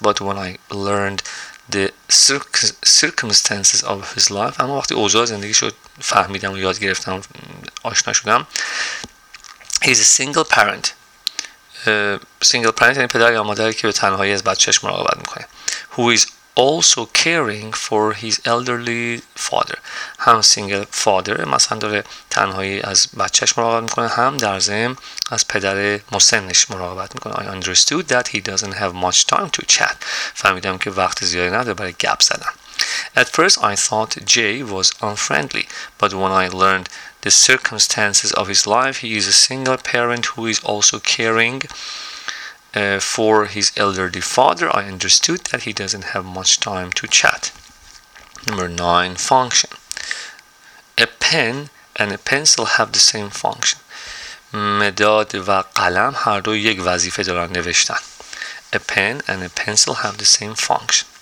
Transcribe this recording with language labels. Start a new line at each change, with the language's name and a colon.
English: But when I learned the circumstances of his life,
Persian: اما وقتی اوضاع زندگی شد فهمیدم و یاد گرفتم, آشنا شدم.
English: He's a single parent. Single parent
Persian: یعنی پدر یا مادری که به تنهایی از بچهش مراقبت میکنه.
English: Who is also caring for his elderly father.
Persian: هم
English: single father,
Persian: مثلا داره تنهایی از بچهش مراقبت میکنه, هم در ضمن از پدر مسنش مراقبت میکنه.
English: I understood that he doesn't have much time to chat.
Persian: فهمیدم که وقت زیادی نداره برای گپ زدن.
English: At first I thought Jay was unfriendly, but when I learned the circumstances of his life, he is a single parent who is also caring For his elderly father, I understood that he doesn't have much time to chat. Number 9, function. A pen and a pencil have the same function.
Persian: مداد و قلم هر دو یک وظیفه دارن نوشتن.
English: A pen and a pencil have the same function.